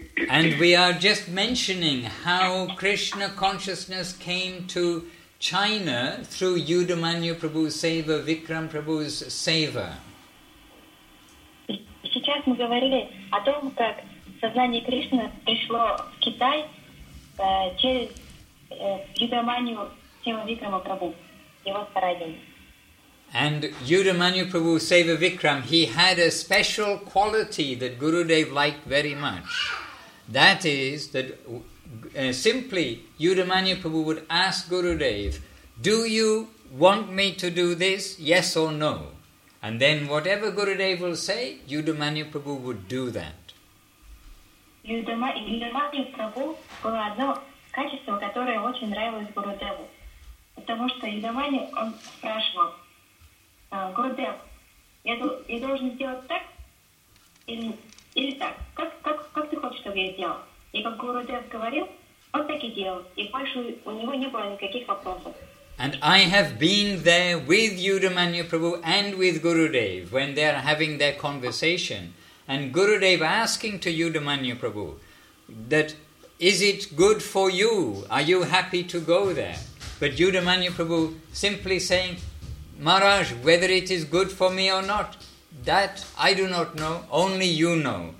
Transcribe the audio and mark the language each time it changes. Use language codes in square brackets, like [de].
[en] And we are just mentioning how Krishna consciousness came to China through Yudhamanya Prabhu's seva, Vikram Prabhu's seva. [ru] Сейчас мы говорили о том, как сознание Кришны пришло в Китай. [en] And Yudhamanya Prabhu Seva Vikram, he had a special quality that Gurudev liked very much. That is, that simply Yudhamanya Prabhu would ask Gurudev, do you want me to do this, yes or no? And then whatever Gurudev will say, Yudhamanya Prabhu would do that. [ru] Юдамадхи Прабху было одно качество, которое очень нравилось Гурудеву. Потому что Юдамадхи, он спрашивал, Гурудев, я должен сделать так или так? Как ты хочешь, чтобы я сделал? И как Гурудев говорил, он так и делал. И больше у него не было никаких вопросов. [en] And I have been there with Yudhamanya Prabhu and with Gurudev when they are having their conversation. And Gurudev asking to Yudhamanya Prabhu that, is it good for you? Are you happy to go there? But Yudhamanya Prabhu simply saying, Maharaj, whether it is good for me or not, that I do not know, only you know.